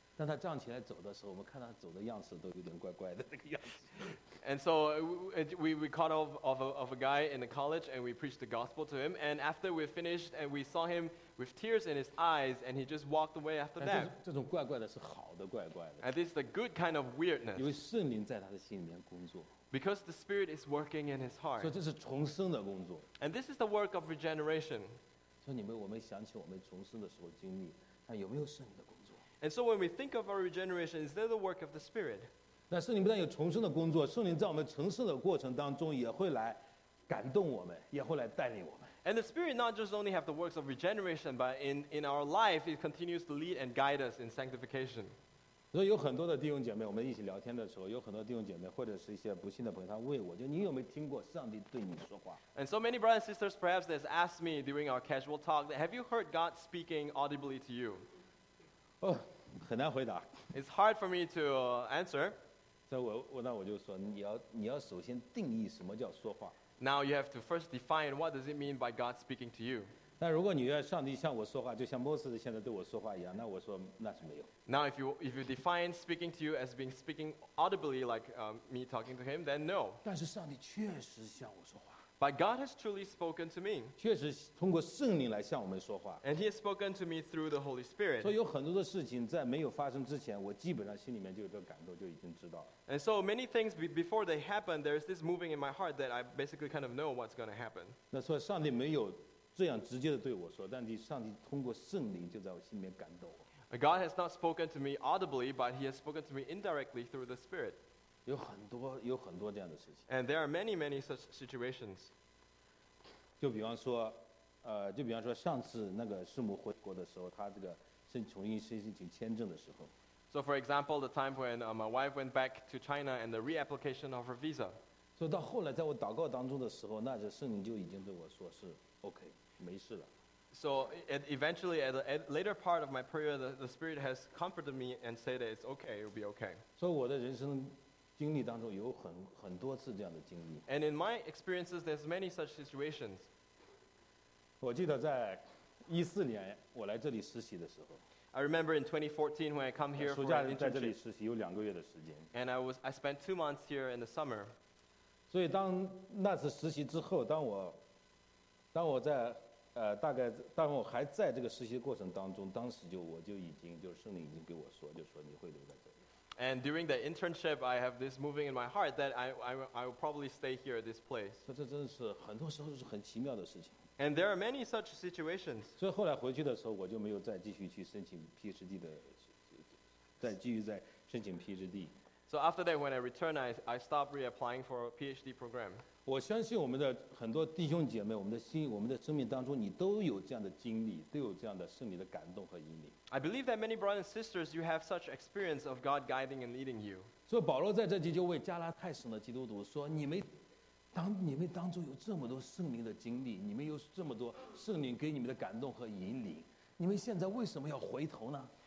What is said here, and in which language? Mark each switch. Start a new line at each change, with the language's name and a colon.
Chinese: 当他站起来走的时候，我们看他走的样子都有点怪怪的那个样子。
English: And so we caught of a guy in the college and we preached the gospel to him. And after we finished and we saw him with tears in his eyes and he just walked away after that.
Chinese: 这种怪怪的是好的怪怪的。
English: And this is the good kind of weirdness.
Chinese: 因为圣灵在他的心里面工作。
English: Because the Spirit is working in his heart.
Chinese: 所以这是重生的工作。
English: And this is the work of regeneration.
Chinese: 所以你们，我们想起我们重生的时候经历，但有没有圣灵的工作？
English: And so when we think of our regeneration, is there the work of the Spirit?
Chinese: 那圣灵不但有重生的工作，圣灵在我们成圣的过程当中也会来感动我们，也会来带领我们。
English: And the Spirit not just only have the works of regeneration, but in our life, it continues to lead and guide us in sanctification.
Chinese: 所以有很多的弟兄姐妹，我们一起聊天的时候，有很多弟兄姐妹或者是一些不信的朋友，他问我，就你有没有听过上帝对你说话？
English: And so many brothers and sisters perhaps has asked me during our casual talk, have you heard God speaking audibly to you?
Chinese: Oh,很难回答。
English: It's hard for me to answer.
Chinese: 所以我就说，你要首先定义什么叫说话。
English: Now you have to first define what does it mean by God speaking to you.
Chinese: 那如果你要上帝向我说话，就像摩西现在对我说话一样，那我说那是没有。
English: Now if you define speaking to you as being speaking audibly like me talking to him, then no.
Chinese: 但是上帝确实向我说话。
English: But God has truly spoken to me.
Chinese: 确实通过圣灵来向我们说话。
English: And He has spoken to me through the Holy Spirit.
Chinese: 所以有很多的事情在没有发生之前，我基本上心里面就有这个感动，就已经知道了。
English: And so many things before they happen, there is this moving in my heart that I basically kind of know what's going to happen.
Chinese: 那所以上帝没有这样直接的对我说，但是上帝通过圣灵就在我心里面感动我。
English: God has not spoken to me audibly, but He has spoken to me indirectly through the Spirit.
Chinese: 有很多这样的事情。
English: And there are many, many such situations.
Chinese: 就比方说上次那个师母回国的时候，他这个重新申请签证的时候。
English: So for example, the time when my wife went back to China and the reapplication of her visa.
Chinese: 所以到后来在我祷告当中的时候，那是圣灵就已经对我说是 OK, 没事了。
English: So eventually, at a later part of my prayer, the Spirit has comforted me and said that it's OK, it will be OK.
Chinese: 所以我的人生经历当中有很多次这样的经历。
English: And in my experiences, there's many such situations.
Chinese: 我记得在2014年我来这里实习的时候。
English: I remember in 2014 when I come here for an internship.
Chinese: 暑假在这里实习有两个月的时间。
English: And I spent 2 months here in the summer.
Chinese: 所以当那次实习之后，当我在大概当我还在这个实习过程当中，当时我就已经就是圣灵已经给我说，就说你会留在这里。
English: And during the internship, I have this moving in my heart that I will probably stay here at this place.
Chinese: 所以这真的是很多时候是很奇妙的事情。
English: And there are many such situations.
Chinese: 所以后来回去的时候，我就没有再继续去申请 PhD 的，再继续再申请 PhD。
English: So after that, when I returned, I stopped reapplying for a PhD program.
Chinese: 我相信我们的很多弟兄姐妹，我们的心，我们的生命当中，你都有这样的经历，都有这样的圣灵的感动和引领。
English: I believe that many brothers and sisters, you have such experience of God guiding and leading you.
Chinese: 所以保罗在这里就为加拉太省的基督徒说，你们当中有这么多圣灵的经历，你们有这么多圣灵给你们的感动和引领，你们现在为什么要回头呢？